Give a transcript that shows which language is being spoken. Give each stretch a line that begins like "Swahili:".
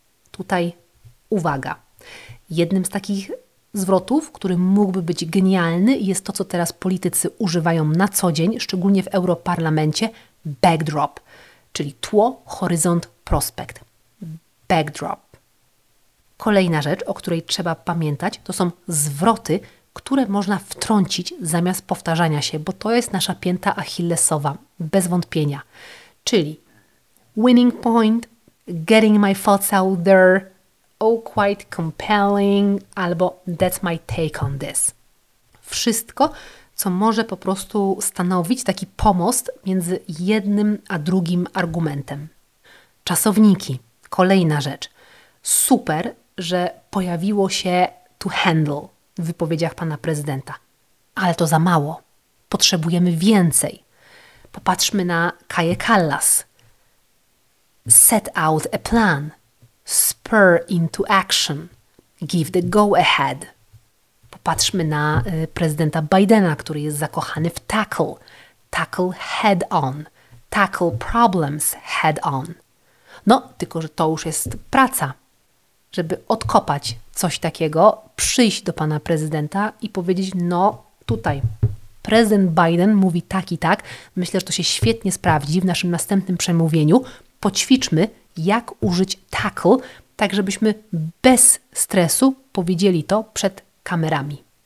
Polish: Tutaj uwaga. Jednym z takich zwrotów, który mógłby być genialny, jest to, co teraz politycy używają na co dzień, szczególnie w europarlamencie, backdrop, czyli tło, horyzont, prospekt. Backdrop. Kolejna rzecz, o której trzeba pamiętać, to są zwroty, które można wtrącić zamiast powtarzania się, bo to jest nasza pięta Achillesowa, bez wątpienia. Czyli
English: winning point, getting my thoughts out there, oh quite compelling,
Polish: albo
English: that's my take on this.
Polish: Wszystko, co może po prostu stanowić taki pomost między jednym a drugim argumentem. Czasowniki, kolejna rzecz. Super, że pojawiło się to handle w wypowiedziach pana prezydenta. Ale to za mało. Potrzebujemy więcej. Popatrzmy na Kaję Kallas.
English: Set out a plan. Spur into action. Give the go ahead.
Polish: Popatrzmy na prezydenta Bidena, który jest zakochany w tackle.
English: Tackle head on. Tackle problems head on.
Polish: No, tylko że to już jest praca. Żeby odkopać coś takiego, przyjść do pana prezydenta i powiedzieć, no tutaj, prezydent Biden mówi tak i tak, myślę, że to się świetnie sprawdzi w naszym następnym przemówieniu. Poćwiczmy, jak użyć tackle, tak żebyśmy bez stresu powiedzieli to przed kamerami.